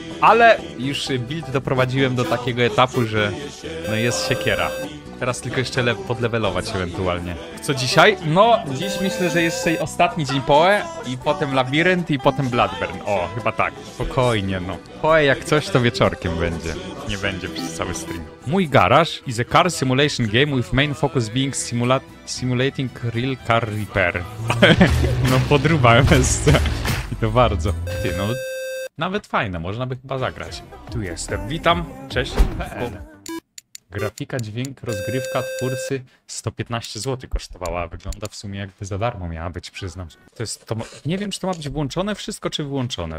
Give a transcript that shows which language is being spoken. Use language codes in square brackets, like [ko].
[pl] Ale już build doprowadziłem do takiego etapu, że no jest siekiera. Teraz tylko jeszcze podlevelować ewentualnie. Co dzisiaj? No, dziś myślę, że jest ostatni dzień Poe i potem Labirynt i potem Bloodburn. O, chyba tak. Spokojnie, no. Poe jak coś, to wieczorkiem będzie. Nie będzie przez cały stream. [en] Mój garaż is a car simulation game with main focus being simulating real car repair. [pl] No, podróba MSC. I to bardzo. Ty, no, nawet fajne, można by chyba zagrać. Tu jestem, witam. Cześć. Grafika, dźwięk, rozgrywka, twórcy 115 zł kosztowała. Wygląda w sumie jakby za darmo miała być, przyznam. To jest to. Nie wiem, czy to ma być włączone wszystko, czy wyłączone.